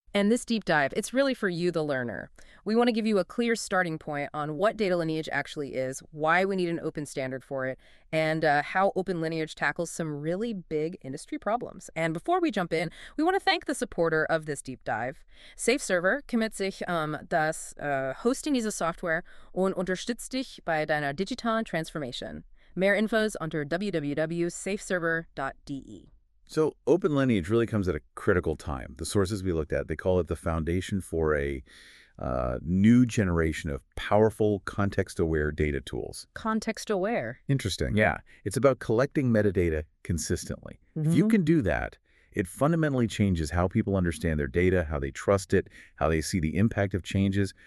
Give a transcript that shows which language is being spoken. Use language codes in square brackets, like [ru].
[en] And this deep dive, it's really for you, the learner. We want to give you a clear starting point on what data lineage actually is, why we need an open standard for it, and how Open Lineage tackles some really big industry problems. And before we jump in, we want to thank the supporter of this deep dive. [de] SafeServer commits sich das Hosting dieser Software und unterstützt dich bei deiner digitalen Transformation. Mehr Infos unter www.safeserver.de. [en] So Open Lineage really comes at a critical time. The sources we looked at, they call it the foundation for a new generation of powerful context-aware data tools. Context aware. Interesting. Yeah. It's about collecting metadata consistently. If you can do that, it fundamentally changes how people understand their data, how they trust it, how they see the impact of changes.